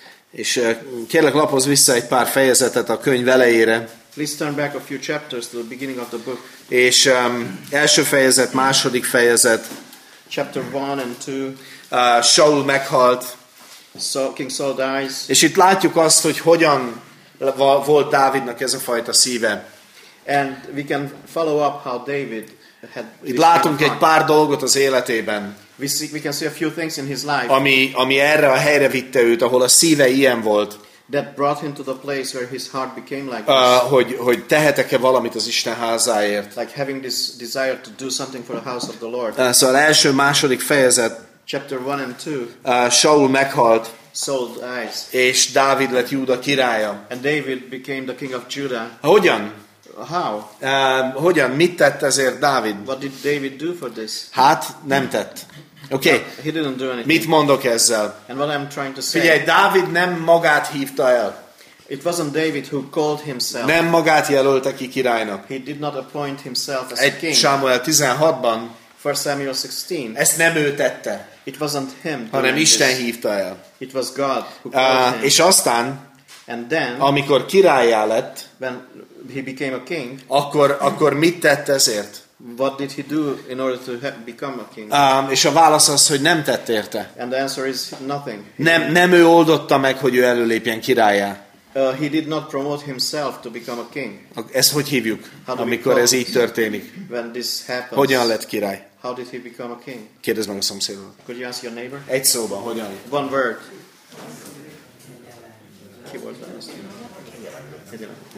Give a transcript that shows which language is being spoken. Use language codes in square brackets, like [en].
[hu] És kérlek lapoz vissza egy pár fejezetet a könyv elejére. [en] Please turn back a few chapters to the beginning of the book. [hu] És első fejezet, második fejezet. [en] Chapter 1 and 2. [hu] Saul meghalt. [en] So, King Saul dies. [hu] És itt látjuk azt, hogy hogyan volt Dávidnak ez a fajta szíve. [en] And we can follow up how David had. [hu] Itt látunk egy pár dolgot az életében. [en] We can see a few things in his life. [hu] Ami erre a helyre vitte őt, ahol a szíve ilyen volt. [en] That brought him to the place where his heart became like this. [hu] Hogy tehetek-e valamit az Isten házáért. [en] Like having this desire to do something for the house of the Lord. [hu] Szóval első, második fejezet. [en] Chapter 1 and 2. [hu] Saul meghalt. [en] Saul dies. [hu] És Dávid lett Júda királya. [en] And David became the king of Judah. [hu] Hogyan? [en] How? [hu] Hogyan? Mit tett ezért Dávid? [en] What did David do for this? [hu] Hát, nem tett. Okay. [en] No, he didn't do anything. [hu] Mit mondok ezzel? [en] And what I'm trying to say. [hu] Figyelj, Dávid nem magát hívta el. [en] It wasn't David who called himself. [hu] Nem magát jelölte ki királynak. [en] He did not appoint himself as [hu] egy [en] king. [hu] Sámuel 16-ban. [en] First Samuel 16. [hu] Ezt nem ő tette. [en] It wasn't him. [hu] Hanem Isten hívta el. [en] It was God who called him. [hu] És aztán, [en] and then, [hu] amikor királyá lett, [en] when he became a king, [hu] akkor mit tett ezért? [en] What did he do in order to become a king? [hu] És a válasz az, hogy nem tett érte. [en] And the answer is nothing. [hu] Nem ő oldotta meg, hogy ő előlépjen királyá. [en] He did not promote himself to become a king. [hu] Ezt hogy hívjuk, amikor ez így történik? [en] When this happens. [hu] Hogyan lett király? [en] How did he become a king? [hu] Kérdezz meg a szomszédot. [en] Could you ask your neighbor? [hu] Egy szóban, hogyan? [en] One word. [hu] Ki volt benne?